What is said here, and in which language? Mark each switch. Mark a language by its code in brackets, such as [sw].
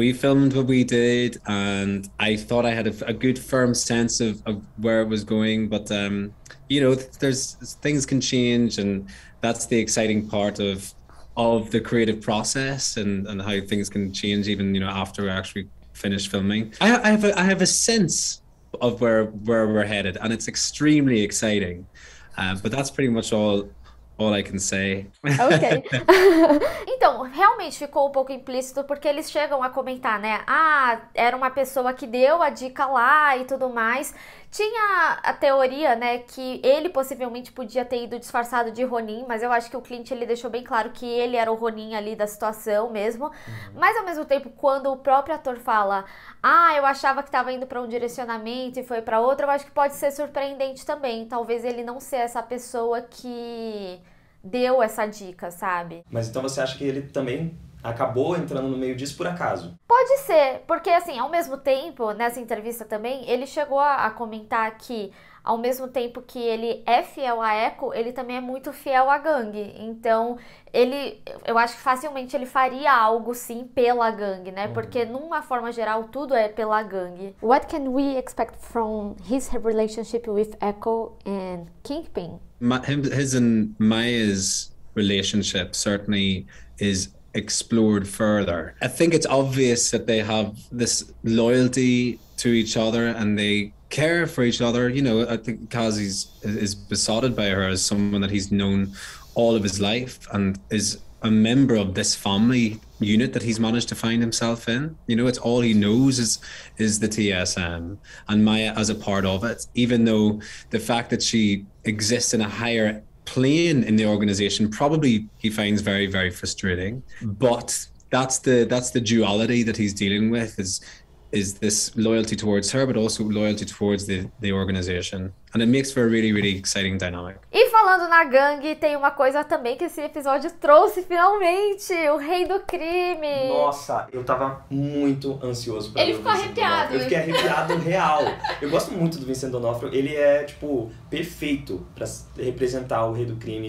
[en] We filmed what we did, and I thought I had a good firm sense of where it was going, but there's things can change, and that's the exciting part of the creative process and how things can change even after we actually finish filming. I have a sense of where we're headed, and it's extremely exciting. But that's pretty much all I can say. Ok. [pt] Então, realmente ficou um pouco implícito porque eles chegam a comentar, né? Ah, era uma pessoa que deu a dica lá e tudo mais. Tinha a teoria, né, que ele possivelmente podia ter ido disfarçado de Ronin, mas eu acho que o Clint ele deixou bem claro que ele era o Ronin ali da situação mesmo. Mas ao mesmo tempo, quando o próprio ator fala, ah, eu achava que estava indo para um direcionamento e foi para outro, eu acho que pode ser surpreendente também. Talvez ele não seja essa pessoa que deu essa dica, sabe? Mas então você acha que ele também acabou entrando no meio disso por acaso? Pode ser, porque assim, ao mesmo tempo, nessa entrevista também, ele chegou a comentar que, ao mesmo tempo que ele é fiel à Echo, ele também é muito fiel à gangue. Então, eu acho que facilmente ele faria algo sim pela gangue, né? Porque, numa forma geral, tudo é pela gangue. [en] What can we expect from his relationship with Echo and Kingpin? His and Maya's relationship certainly is explored further. I think it's obvious that they have this loyalty to each other and they care for each other. You know, I think Kaz is besotted by her as someone that he's known all of his life and is a member of this family unit that he's managed to find himself in. You know, it's all he knows is the TSM and Maya as a part of it, even though the fact that she exists in a higher plane in the organization probably he finds very, very frustrating. But that's the duality that he's dealing with is this loyalty towards her, but also loyalty towards the organization. And it makes for a really, really exciting dynamic. [pt] E falando na gangue, tem uma coisa também que esse episódio trouxe finalmente, o Rei do Crime. Nossa, eu tava muito ansioso para Ele ver o ficou Vincent D'Onofrio. Eu arrepiado. fiquei arrepiado real. Eu gosto muito do Vincent D'Onofrio. Ele é, tipo, perfeito para representar o Rei do Crime.